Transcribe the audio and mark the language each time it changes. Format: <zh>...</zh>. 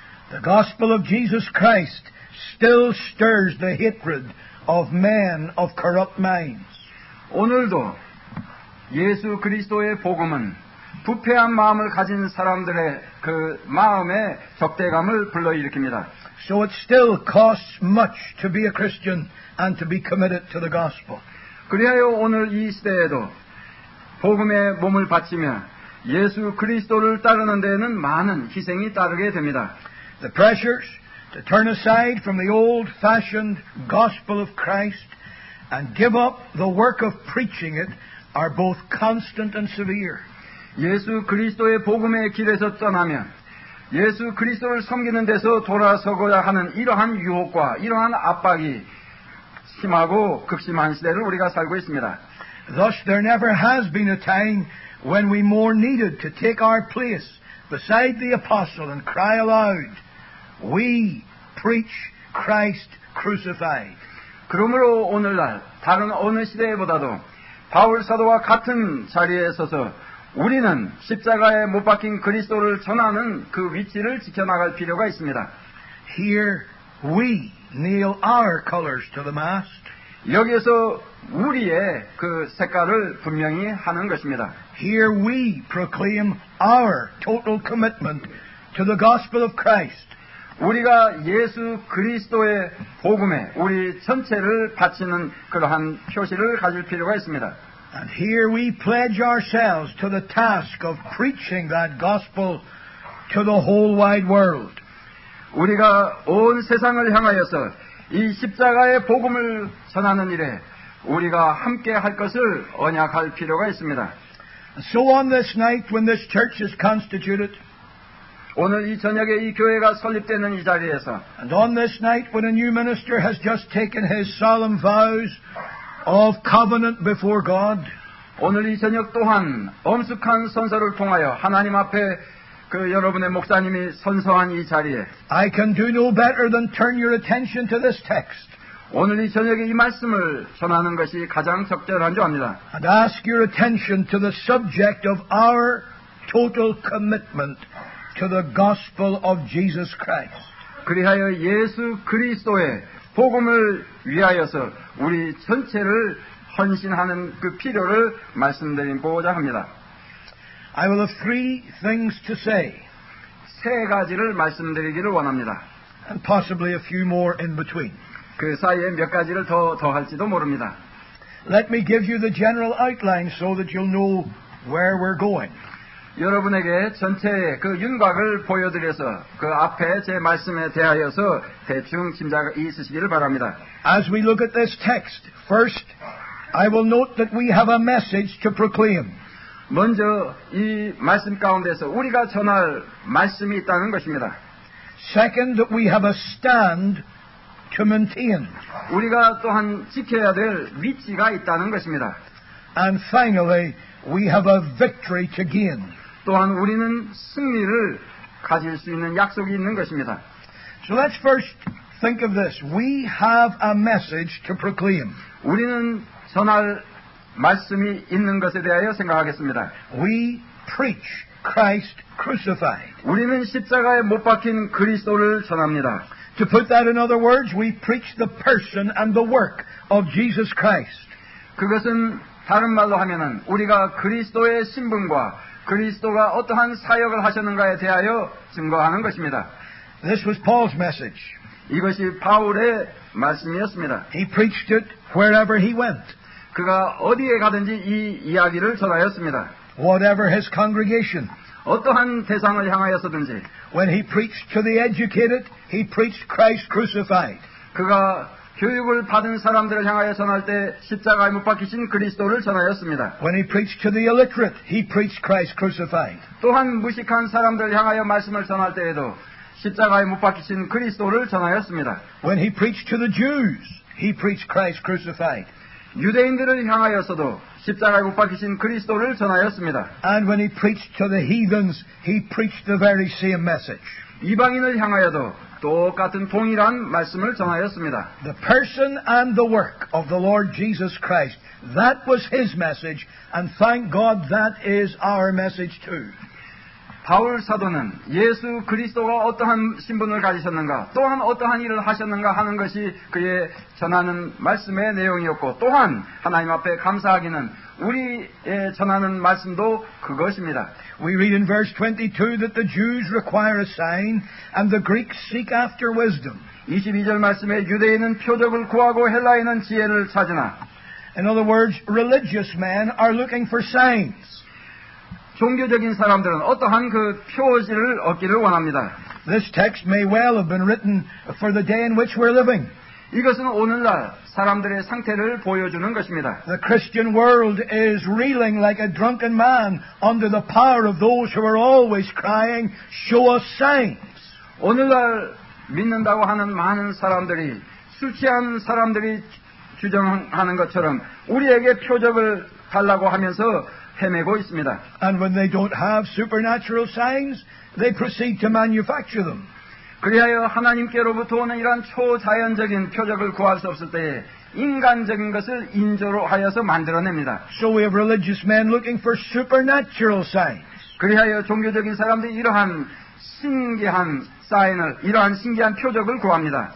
<en>The gospel of Jesus Christ still stirs the hatred of men of corrupt minds.</en> <ko>오늘도 예수 그리스도의 복음은 부패한 마음을 가진 사람들의 그 마음에 적대감을 불러일으킵니다.</ko> <en>So it still costs much to be a Christian and to be committed to the gospel.</en> <ko>그리하여 오늘 이 시대에도 복음의 몸을 바치며 예수 그리스도를 따르는 데에는 많은 희생이 따르게 됩니다.</ko> <en>The pressures to turn aside from the old-fashioned gospel of Christ and give up the work of preaching it are both constant and severe.</en> <ko>예수 그리스도의 복음의 길에서 떠나면 예수 그리스도를 섬기는 데서 돌아서고자 하는 이러한 유혹과 이러한 압박이 심하고 극심한 시대를 우리가 살고 있습니다.</ko> <en>Thus there never has been a time when we more needed to take our place beside the apostle and cry aloud, We preach Christ crucified.</en> <ko>그러므로 오늘날 다른 어느 시대보다도 바울 사도와 같은 자리에 서서 우리는 십자가에 못 박힌 그리스도를 전하는 그 위치를 지켜나갈 필요가 있습니다.</ko> <en>Here we nail our colors to the mast.</en> <ko>여기에서 우리의 그 색깔을 분명히 하는 것입니다.</ko> <en>Here we proclaim our total commitment to the gospel of Christ.</en> <ko>우리가 예수 그리스도의 복음에 우리 전체를 바치는 그러한 표시를 가질 필요가 있습니다.</ko> <en>And here we pledge ourselves to the task of preaching that gospel to the whole wide world.</en> <ko>우리가 온 세상을 향하여서 이 십자가의 복음을 전하는 일에 우리가 함께 할 것을 언약할 필요가 있습니다.</ko> <en>So on this night when this church is constituted,</en> <ko>오늘 이 저녁에 이 교회가 설립되는 이 자리에서,</ko> <en>and on this night when a new minister has just taken his solemn vows of covenant before God,</en> <ko>오늘 이 저녁 또한 엄숙한 선서를 통하여 하나님 앞에 그 여러분의 목사님이 선서한 이 자리에,</ko> <en>I can do no better than turn your attention to this text.</en> <ko>오늘 이 저녁에 이 말씀을 전하는 것이 가장 적절한 줄 압니다.</ko> <en>And ask your attention to the subject of our total commitment to the gospel of Jesus Christ.</en> <ko>그리하여 예수 그리스도의 복음을 위하여서 우리 전체를 헌신하는 그 필요를 말씀드리고자 합니다.</ko> <en>I will have three things to say.</en> <ko>세 가지를 말씀드리기를 원합니다.</ko> <en>And possibly a few more in between.</en> <ko>그 사이에 몇 가지를 더 할지도 모릅니다.</ko> <en>Let me give you the general outline so that you'll know where we're going.</en> <ko>여러분에게 전체 그 윤곽을 보여드려서 그 앞에 제 말씀에 대하여서 대충 짐작이 있으시기를 바랍니다.</ko> <en>As we look at this text, first, I will note that we have a message to proclaim.</en> <ko>먼저 이 말씀 가운데서 우리가 전할 말씀이 있다는 것입니다.</ko> <en>Second, that we have a stand to maintain.</en> <ko>우리가 또한 지켜야 될 위치가 있다는 것입니다.</ko> <en>And finally, we have a victory to gain.</en> <ko>또한 우리는 승리를 가질 수 있는 약속이 있는 것입니다.</ko> <en>So let's first think of this. We have a message to proclaim.</en> <ko>우리는 전할 말씀이 있는 것에 대하여 생각하겠습니다.</ko> <en>We preach Christ crucified.</en> <ko>우리는 십자가에 못 박힌 그리스도를 전합니다.</ko> <en>To put that in other words, we preach the person and the work of Jesus Christ.</en> <ko>그것은 다른 말로 하면은 우리가 그리스도의 신분과 그리스도가 어떠한 사역을 하셨는가에 대하여 증거하는 것입니다.</ko> <en>This was Paul's message.</en> <ko>이것이 바울의 말씀이었습니다.</ko> <en>He preached it wherever he went.</en> <ko>그가 어디에 가든지 이 이야기를 전하였습니다.</ko> <en>Whatever his congregation.</en> <ko>어떠한 대상을 향하여서든지.</ko> <en>When he preached to the educated, he preached Christ crucified.</en> <ko>그가 교육을 받은 사람들을 향하여 전할 때 십자가에 못 박히신 그리스도를 전하였습니다.</ko> <en>When he preached to the illiterate, he preached Christ crucified.</en> <ko>또한 무식한 사람들을 향하여 말씀을 전할 때에도 십자가에 못 박히신 그리스도를 전하였습니다.</ko> <en>When he preached to the Jews, he preached Christ crucified.</en> <ko>유대인들을 향하여서도 십자가에 못 박히신 그리스도를 전하였습니다.</ko> <en>And when he preached to the heathens, he preached the very same message.</en> <ko>이방인을 향하여도 똑같은 동일한 말씀을 전하였습니다.</ko> <en>The person and the work of the Lord Jesus Christ, that was his message, and thank God that is our message too.</en> <ko>바울 사도는 예수 그리스도가 어떠한 신분을 가지셨는가, 또한 어떠한 일을 하셨는가 하는 것이 그의 전하는 말씀의 내용이었고, 또한 하나님 앞에 감사하기는 우리의 전하는 말씀도 그것입니다.</ko> <en>We read in verse 22 that the Jews require a sign and the Greeks seek after wisdom.</en> <ko>22절 말씀에 유대인은 표적을 구하고 헬라인은 지혜를 찾으나.</ko> <en>In other words, religious men are looking for signs.</en> <ko>종교적인 사람들은 어떠한 그 표지를 얻기를 원합니다.</ko> <en>This text may well have been written for the day in which we're living.</en> <ko>이것은 오늘날 사람들의 상태를 보여주는 것입니다.</ko> <en>The Christian world is reeling like a drunken man under the power of those who are always crying, "Show us signs."</en> <ko>오늘날 믿는다고 하는 많은 사람들이 술 취한 사람들이 주장하는 것처럼 우리에게 표적을 달라고 하면서 헤매고 있습니다.</ko> <en>And when they don't have supernatural signs, they proceed to manufacture them.</en> <ko>그리하여 하나님께로부터 오는 이런 초자연적인 표적을 구할 수 없을 때에 인간적인 것을 인조로 하여서 만들어냅니다.</ko> <en>So we have religious men looking for supernatural signs.</en> <ko>그리하여 종교적인 사람들이 이러한 신기한 사인을, 이러한 신기한 표적을 구합니다.</ko>